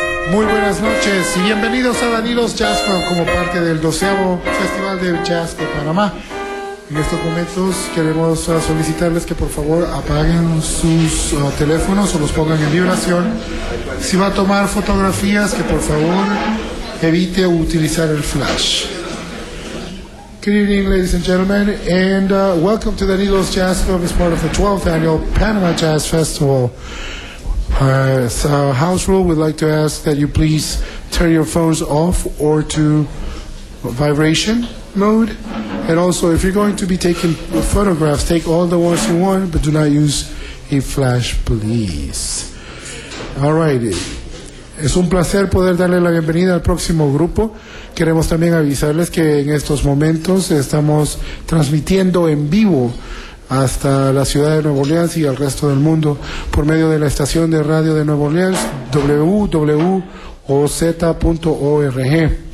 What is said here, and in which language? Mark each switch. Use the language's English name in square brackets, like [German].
[Spanish] Muy buenas noches y bienvenidos a Danilo's Jazz Club como parte del 12º Festival de Jazz de Panamá. En estos momentos queremos solicitarles que por favor apaguen sus teléfonos o los pongan en vibración. Si va a tomar fotografías, que por favor evite utilizar el flash. [English] Good evening, ladies and gentlemen, and welcome to the Danilo's Jazz Club as part of the 12th Annual Panama Jazz Festival. As a house rule, we'd like to ask that you please turn your phones off or to vibration mode. And also, if you're going to be taking photographs, take all the ones you want, but do not use a flash, please. All right. [Spanish] Es un placer poder darle la bienvenida al próximo grupo. Queremos también avisarles que en estos momentos estamos transmitiendo en vivo hasta la ciudad de Nueva Orleans y al resto del mundo por medio de la estación de radio de Nueva Orleans, WWOZ.org.